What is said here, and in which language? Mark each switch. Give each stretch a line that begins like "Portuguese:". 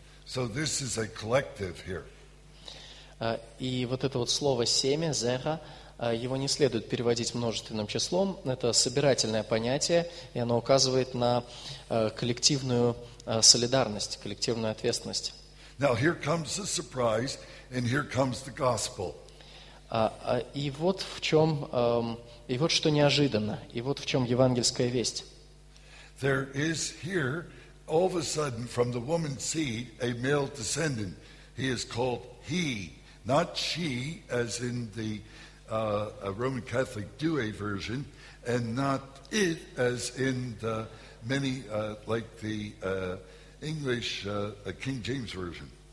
English: So this is a collective here.
Russian: И вот это вот слово семя, зера, его не следует переводить множественным числом. Это собирательное понятие, и оно указывает на коллективную солидарность, коллективную ответственность.
English: Now here comes the surprise, and here comes the gospel.
Russian: И вот в чем, и вот что неожиданно, и вот в чем евангельская весть.
English: There is here, all of a sudden, from the woman's seed, a male descendant. He is called he, not she, as in the Roman Catholic Douay version, and not it, as in the many, like the English King James version.